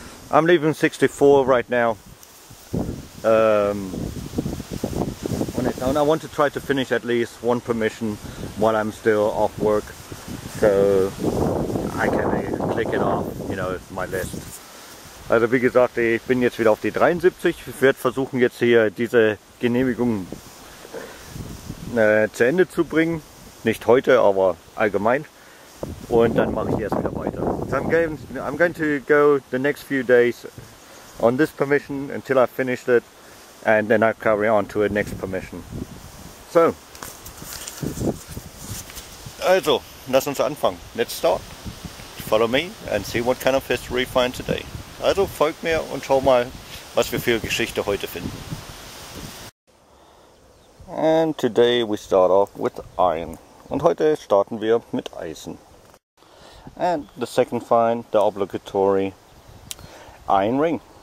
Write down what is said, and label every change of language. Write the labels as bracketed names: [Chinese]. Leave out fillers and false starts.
[English] I'm leaving 64 right now. I want to try to finish at least one permission while I'm still off work, so I can click it off, you know, my list. [German] Also wie gesagt, ich bin jetzt wieder auf die 73. Ich werde versuchen, jetzt hier diese Genehmigung zu Ende zu bringen. Nicht heute, aber allgemein. Und dann mache ich erst wieder weiter. [English] So I'm going to go the next few days on this permission until I finished it. And then I'll carry on to a next permission. So. [German] Also, lass uns anfangen. [English] Let's start. Follow me and see what kind of history we find today. [German] Also folgt mir und schau mal, was wir für Geschichte heute finden. [English] And today we start off with iron. [German] Und heute starten wir mit Eisen. [English] And the second find, the obligatory iron ring.